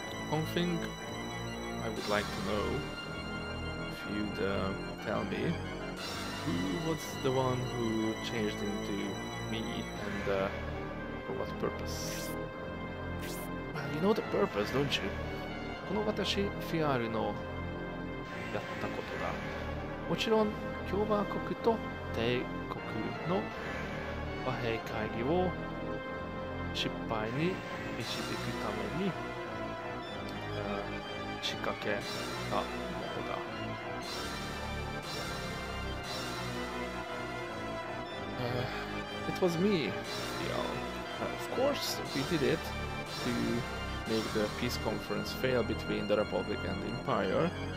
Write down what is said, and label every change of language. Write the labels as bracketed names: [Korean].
[English] One thing I would like to know, if you'd tell me, who was the one who changed into me, and for what purpose? Well, you know the purpose, don't you? [Japanese] この私、フィアールのやったことだ。もちろん、共和国と帝国の和平会議を失敗に導くために仕掛けたものだ。 [English] It was me, Fial. Of course, we did it to make the peace conference fail between the Republic and the Empire.